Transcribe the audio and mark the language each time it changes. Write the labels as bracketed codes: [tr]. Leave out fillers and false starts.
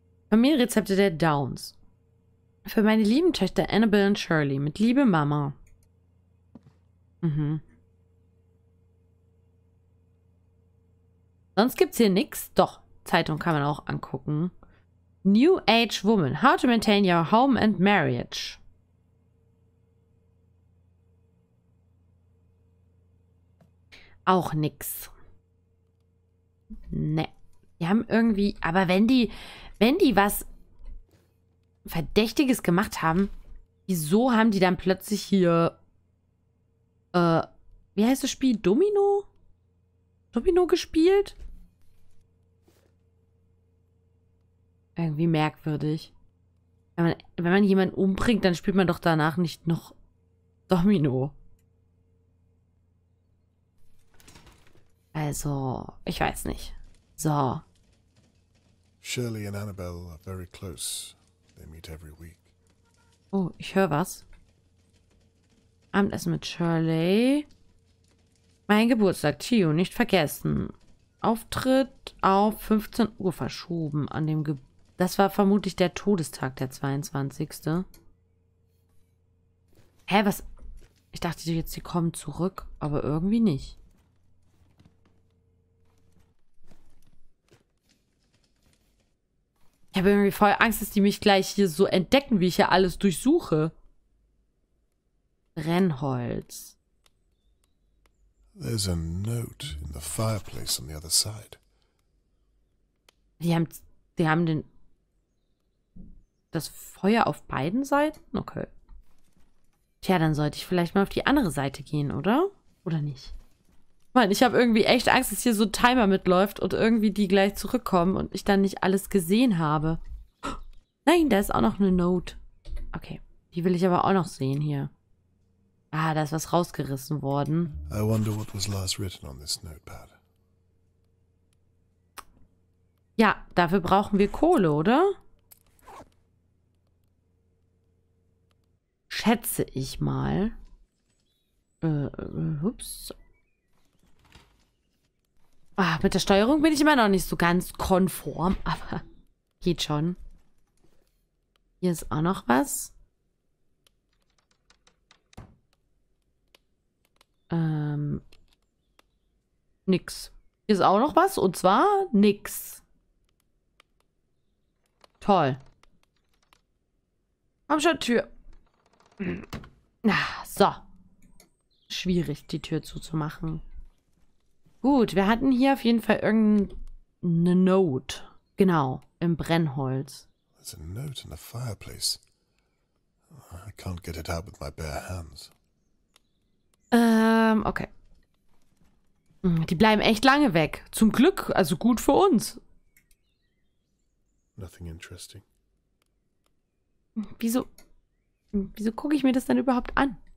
[de] Familienrezepte der Downs. Für meine lieben Töchter Annabelle und Shirley. Mit liebe Mama. Mhm. Sonst gibt's hier nichts. Doch, Zeitung kann man auch angucken. [en] New Age Woman. How to maintain your home and marriage. [de] Auch nix. Ne. Die haben irgendwie... Aber wenn die was Verdächtiges gemacht haben, wieso haben die dann plötzlich hier, wie heißt das Spiel? Domino? Domino gespielt? Irgendwie merkwürdig. Wenn man jemanden umbringt, dann spielt man doch danach nicht noch Domino. Also, ich weiß nicht. So. [en] Shirley and Annabelle are very close. They meet every week. [de] Oh, ich höre was. Abendessen mit Shirley. Mein Geburtstag, Tio, nicht vergessen. Auftritt auf 15 Uhr verschoben an dem Das war vermutlich der Todestag, der 22. Hä, was? Ich dachte jetzt, sie kommen zurück, aber irgendwie nicht. Ich habe irgendwie voll Angst, dass die mich gleich hier so entdecken, wie ich hier alles durchsuche. Brennholz. [en] There's a note in the fireplace on the other side. [de] Die haben den das Feuer auf beiden Seiten? Okay. Tja, dann sollte ich vielleicht mal auf die andere Seite gehen, oder? Oder nicht? Mann, ich habe irgendwie echt Angst, dass hier so ein Timer mitläuft und irgendwie die gleich zurückkommen und ich dann nicht alles gesehen habe. Nein, da ist auch noch eine Note. Okay, die will ich aber auch noch sehen hier. Ah, da ist was rausgerissen worden. [en] I wonder what was last written on this notepad. [de] Ja, dafür brauchen wir Kohle, oder? Schätze ich mal. Ups. Ah, mit der Steuerung bin ich immer noch nicht so ganz konform, aber geht schon. Hier ist auch noch was. Nix. Hier ist auch noch was und zwar nix. Toll. Komm schon, Tür. Na, so. Schwierig, die Tür zuzumachen. Gut, wir hatten hier auf jeden Fall irgendeine Note. Genau, im Brennholz. [en] There's a note in the fireplace. I can't get it out with my bare hands. [de] Okay. Die bleiben echt lange weg. Zum Glück, also gut für uns. [en] Nothing interesting. [de] Wieso gucke ich mir das denn überhaupt an?